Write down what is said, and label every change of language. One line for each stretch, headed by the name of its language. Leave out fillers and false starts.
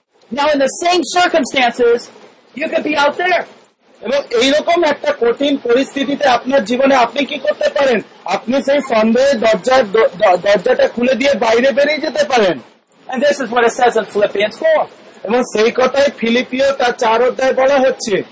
English: Now in the same circumstances you could be out there.
Bangla: এবং এইরকম একটা কঠিন পরিস্থিতিতে আপনার জীবনে আপনি কি করতে পারেন? আপনি সেই সন্দেহের দরজাটা খুলে দিয়ে বাইরে বেরিয়ে যেতে পারেন।
English: And this is what it says in Philippians 4.
Bangla: এবং সেই কথাই ফিলিপিও তার চার অধ্যায় বলা হচ্ছে,